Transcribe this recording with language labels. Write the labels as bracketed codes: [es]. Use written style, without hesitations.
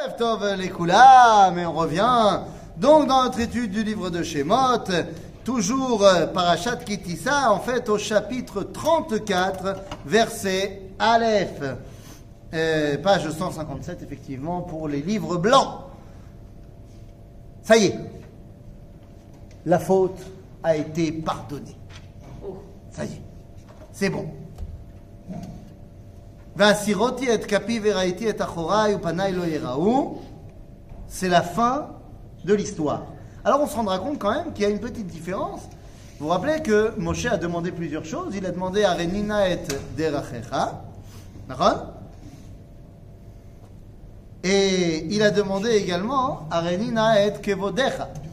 [he] Tov lekulam, [fr] et on revient donc dans notre étude du livre de Shemot, toujours Parashat Kitissa, en fait au chapitre 34, verset Aleph, page 157 effectivement pour les livres blancs. Ça y est, la faute a été pardonnée. Ça y est, c'est bon. [he] והסירותי את כפי וראיתי את אחוריי ופניי לא יראו. [fr] C'est la fin de l'histoire. Alors on se rendra compte quand même qu'il y a une petite différence. Vous vous rappelez que Moshe a demandé plusieurs choses. Il a demandé à Renina et Derachecha. D'accord ? Et il a demandé également à Renina et Kevodecha.